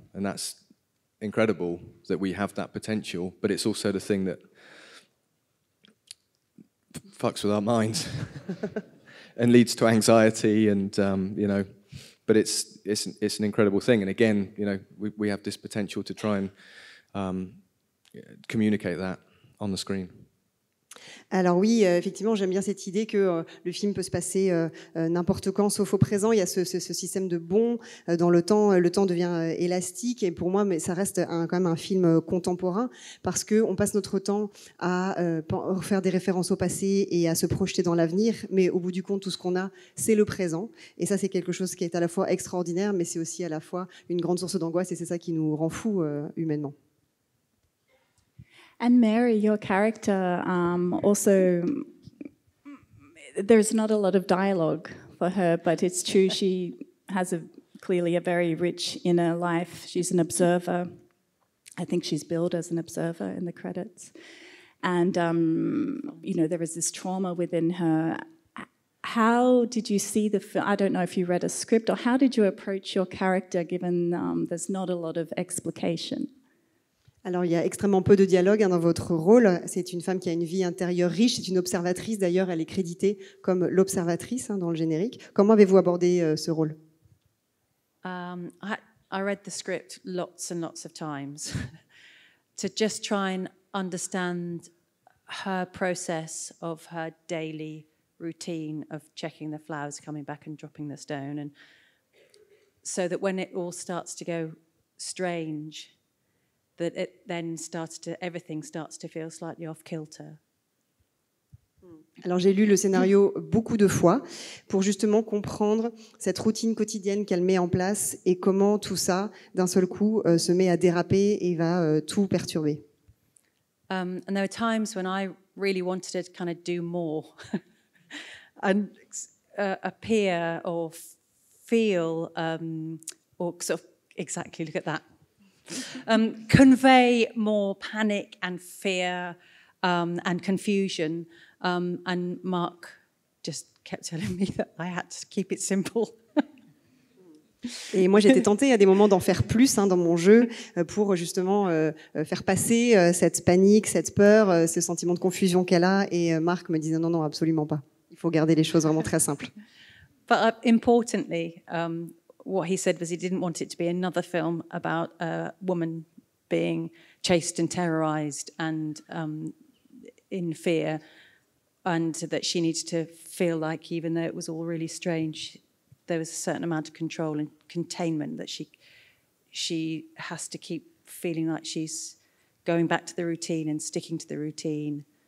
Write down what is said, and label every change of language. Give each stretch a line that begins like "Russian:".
English: And that's incredible that we have that potential, but it's also the thing that fucks with our minds and leads to anxiety and, you know, but it's an incredible thing. And again, you know, we have this potential to try and communicate that on the screen.
French: Alors oui, effectivement, j'aime bien cette idée que le film peut se passer n'importe quand, sauf au présent. Il y a ce système de bond dans le temps devient élastique, et pour moi, mais ça reste quand même un film contemporain, parce qu'on passe notre temps à faire des références au passé et à se projeter dans l'avenir, mais au bout du compte, tout ce qu'on a, c'est le présent. Et ça, c'est quelque chose qui est à la fois extraordinaire, mais c'est aussi à la fois une grande source d'angoisse, et c'est ça qui nous rend fous humainement.
English: And Mary, your character, also, there's not a lot of dialogue for her, but it's true, she has clearly a very rich inner life. She's an observer. I think she's billed as an observer in the credits. And, you know, there is this trauma within her. How did you see the film? I don't know if you read a script, or how did you approach your character, given there's not a lot of explication?
French: Alors, il y a extrêmement peu de dialogue dans votre rôle. C'est une femme qui a une vie intérieure riche. C'est une observatrice. D'ailleurs, elle est créditée comme l'observatrice dans le générique. Comment avez-vous abordé ce rôle ?
English: I read the script lots and lots of times to just try and understand her process of her daily routine of checking the flowers, coming back and dropping the stone, and so that when it all starts to go strange, that it then starts to, everything starts to feel slightly off kilter.
French: Alors j'ai lu le scénario beaucoup de fois pour justement comprendre cette routine quotidienne qu'elle met en place et comment tout ça, d'un seul coup, se met à déraper et va tout perturber.
English: And there were times when I really wanted to kind of do more and appear or feel or sort of exactly look at that convey more panic and fear and confusion. And Mark just kept telling me that I had to keep it simple.
French: Et moi, j'étais tentée à des moments d'en faire plus hein, dans mon jeu pour justement faire passer cette panique, cette peur, ce sentiment de confusion qu'elle a. Et Mark me disait non, absolument pas. Il faut garder les choses vraiment très simples.
English: But importantly, what he said was he didn't want it to be another film about a woman being chased and terrorized and in fear. And that she needed to feel like, even though it was all really strange, there was a certain amount of control and containment that she has to keep feeling like she's going back to the routine and sticking to the routine.